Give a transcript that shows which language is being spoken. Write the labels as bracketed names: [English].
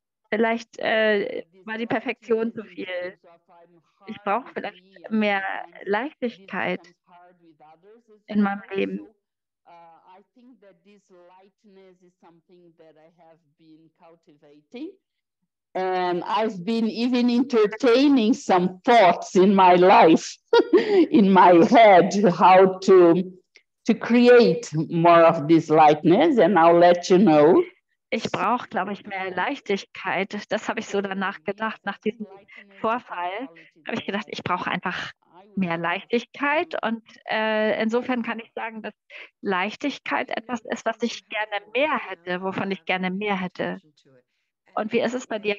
[German] Vielleicht war die Perfektion zu viel. Ich brauche vielleicht mehr Leichtigkeit in meinem Leben. [English] This lightness is something that I have been cultivating. And I've been even entertaining some thoughts in my life, in my head, how to create more of this lightness. And I'll let you know. [German] Ich brauche, glaube ich, mehr Leichtigkeit. Das habe ich so danach gedacht, nach diesem Vorfall. Habe ich gedacht, ich brauche einfach mehr Leichtigkeit und insofern kann ich sagen, dass Leichtigkeit etwas ist, was ich gerne mehr hätte, wovon ich gerne mehr hätte. Und wie ist es bei dir?